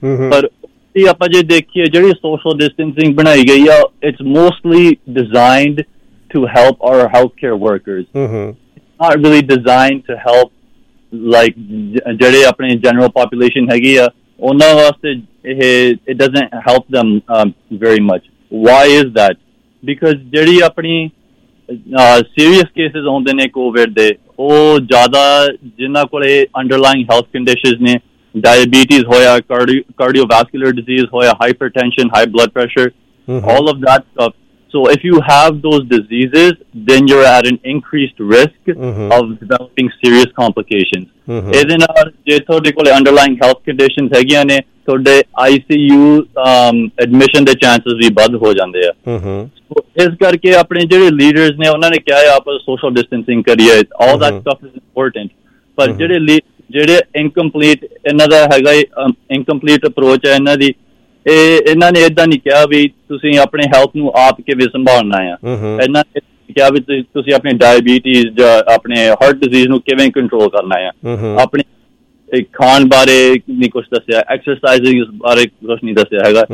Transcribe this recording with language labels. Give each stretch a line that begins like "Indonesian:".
Punjabi: ਪਰ ਆਪਾਂ ਜੇ ਦੇਖੀਏ ਜਿਹੜੀ
English: social distancing
Punjabi: ਬਣਾਈ ਗਈ ਆ,
English: it's mostly designed to help our health care workers, not really designed to help like
Punjabi: ਜਿਹੜੇ ਆਪਣੇ
English: general population
Punjabi: ਹੈਗੀ ਆ ਉਹਨਾਂ ਵਾਸਤੇ ਇਹ
English: It doesn't help them very much. Why is that?
Punjabi: Because ਜਿਹੜੀ ਆਪਣੀ ਸੀਰੀਅਸ ਕੇਸਿਸ ਆਉਂਦੇ ਨੇ ਕੋਵਿਡ ਦੇ, ਉਹ ਜ਼ਿਆਦਾ ਜਿਹਨਾਂ ਕੋਲ ਅੰਡਰਲਾਈਂਗ ਹੈਲਥ ਕੰਡੀਸ਼ਨ ਨੇ, ਡਾਇਬੀਟੀਜ਼ ਹੋਇਆ, ਕਾਰਡੀਓਵੈਸਕੁਲਰ ਡਿਜ਼ੀਜ਼ ਹੋਇਆ, hyper tension, high blood pressure,
English: All of that stuff. So if you have those diseases, then you're at an increased risk of developing serious complications.
Punjabi: ਇਹਦੇ ਨਾਲ ਜੇ ਤੁਹਾਡੇ ਕੋਲ ਅੰਡਰਲਾਈਂਗ ਹੈਲਥ ਕੰਡੀਸ਼ਨ ਹੈਗੀਆਂ ਨੇ, ਤੁਹਾਡੇ ਆਈ ਸੀ ਯੂ ਐਡਮਿਸ਼ਨ ਦੇ ਚਾਂਸਿਸ ਵੀ ਵੱਧ ਹੋ ਜਾਂਦੇ ਆ. ਸੋ ਇਸ ਕਰਕੇ ਆਪਣੇ ਜਿਹੜੇ ਲੀਡਰਸ ਨੇ ਉਹਨਾਂ ਨੇ ਕਿਹਾ ਆਪਾਂ ਸੋਸ਼ਲ ਡਿਸਟੈਂਸਿੰਗ ਕਰੀਏ,
English: All that stuff is important.
Punjabi: ਪਰ ਜਿਹੜੇ ਇਨਕੰਪਲੀਟ ਇਹਨਾਂ ਦਾ ਹੈਗਾ ਇਨਕੰਪਲੀਟ ਅਪਰੋਚ ਹੈ ਇਹਨਾਂ ਦੀ, ਇਹਨਾਂ ਨੇ ਏਦਾਂ ਨੀ ਕਿਹਾ ਵੀ ਤੁਸੀਂ ਆਪਣੇ ਹੈਲਥ ਨੂੰ ਆਪ ਕੇ ਵੀ ਸੰਭਾਲਣਾ ਆ, ਇਹਨਾਂ ਨੇ ਕਿਹਾ ਵੀ ਤੁਸੀਂ ਆਪਣੇ ਡਾਇਬੀਟੀਜ਼ ਜਾਂ ਆਪਣੇ ਹਾਰਟ ਡਿਜ਼ੀਜ਼ ਨੂੰ ਕਿਵੇਂ ਕੰਟਰੋਲ ਕਰਨਾ ਆ, ਆਪਣੇ ਖਾਣ ਬਾਰੇ ਨੀ ਕੁਛ ਦੱਸਿਆ, ਐਕਸਰਸਾਈਜ਼ ਬਾਰੇ ਕੁਛ ਨੀ ਦੱਸਿਆ ਹੈਗਾ.